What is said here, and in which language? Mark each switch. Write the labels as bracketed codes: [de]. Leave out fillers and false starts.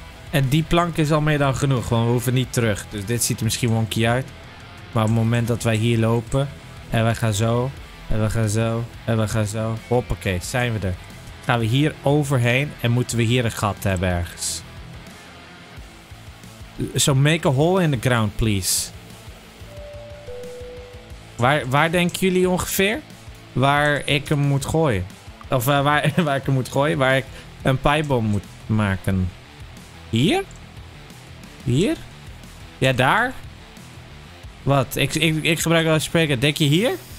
[nl] En die plank is al meer dan genoeg, want we hoeven niet terug. Dus dit ziet er misschien wonky uit. Maar op het moment dat wij hier lopen, en we gaan zo, en we gaan zo, en we gaan zo. Hoppakee, zijn we er. Gaan we hier overheen en moeten we hier een gat hebben ergens. [en] So make a hole in the ground, please. [nl] Waar denken jullie ongeveer? Waar ik hem moet gooien? Of waar ik hem moet gooien? Waar ik een pijpbom moet maken? Hier? Hier? Ja, daar? Wat? Ik gebruik wel spreken. Denk je hier?